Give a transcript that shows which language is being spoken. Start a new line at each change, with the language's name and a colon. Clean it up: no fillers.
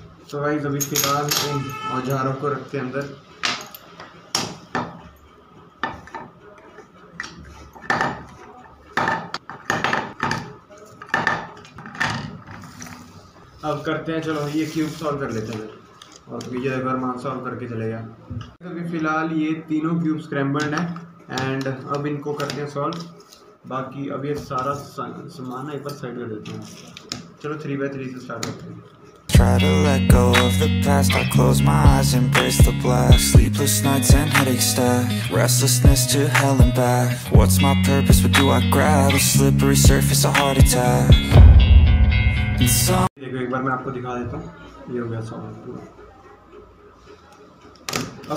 Hindi: तो भाई अभी फिलहाल इन औजारों को रखते हैं अंदर, अब करते हैं चलो ये क्यूब सॉल्व कर लेते हैं और विजय वर्मा सॉल्व करके चले गया। अभी फिलहाल ये तीनों क्यूब स्क्रैम्बल्ड हैं एंड अब इनको करते हैं सॉल्व, बाकी अब ये सारा सामान एक बार साइड कर देते हैं। चलो 3x3 से स्टार्ट करते हैं।
English: Try to let go of the past, I close my eyes, embrace the blast. Sleepless nights and headache stack, restlessness to hell and back. What's my purpose, what do I grab? A slippery surface, a heart attack.
Hindi: देखो एक बार मैं आपको दिखा देता हूँ, ये हो गया सॉल्व पूरा।